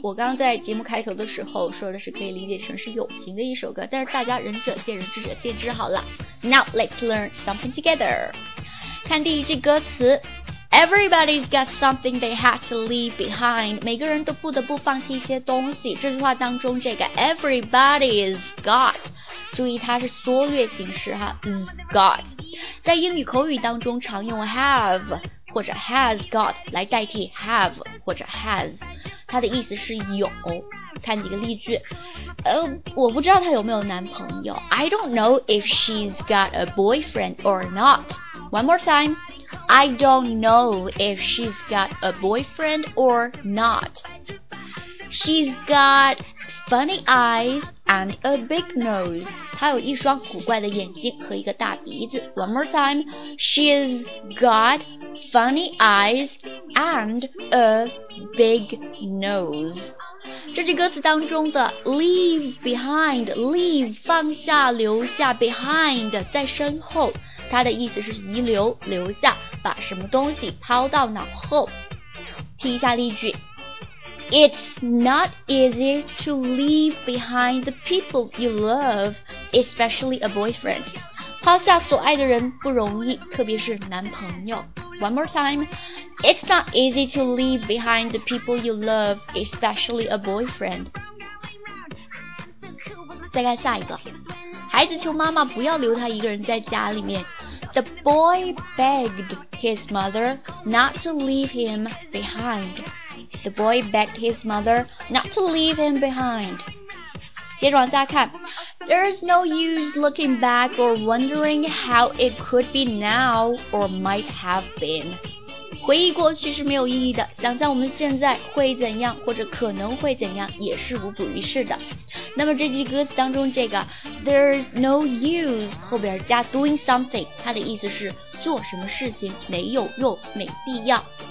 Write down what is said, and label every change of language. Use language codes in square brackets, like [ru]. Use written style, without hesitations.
[zh] 我刚在节目开头的时候说的是可以理解成是友情的一首歌，但是大家仁者见仁智者见智好了。 [en] Now let's learn something together。 [zh] 看第一句歌词， [en] Everybody's got something they had to leave behind. [zh] 每个人都不得不放弃一些东西。这句话当中这个 Everybody's got， 注意它是缩略形式哈， got， 在英语口语当中常用 have 或者 has got 来代替 have 或者 has， 它的意思是有。看几个例句，我不知道她有没有男朋友。 [en] I don't know if she's got a boyfriend or not. One more time. I don't know if she's got a boyfriend or not. She's got funny eyes and a big nose. [zh] 她有一双古怪的眼睛和一个大鼻子。 [en] One more time. She's got funny eyes and a big nose. [zh] 这句歌词当中的 leave behind， leave 放下留下， behind 在身后，它的意思是遗留留下，把什么东西抛到脑后。听一下例句， [en] It's not easy to leave behind the people you love, especially a boyfriend. [zh] 抛下所爱的人不容易，特别是男朋友。 [en] One more time. It's not easy to leave behind the people you love, especially a boyfriend. [zh] 再看下一个，孩子求妈妈不要留他一个人在家里面。 [en] The boy begged his mother not to leave him behind. The boy begged his mother not to leave him behind. [zh] 接着往下看， [en] There's no use looking back or wondering how it could be now or might have been. [zh] 回忆过去是没有意义的，想象我们现在会怎样或者可能会怎样也是无补于事的。那么这句歌词当中这个 There's no use 后边加 doing something， 它的意思是做什么事情没有用没必要。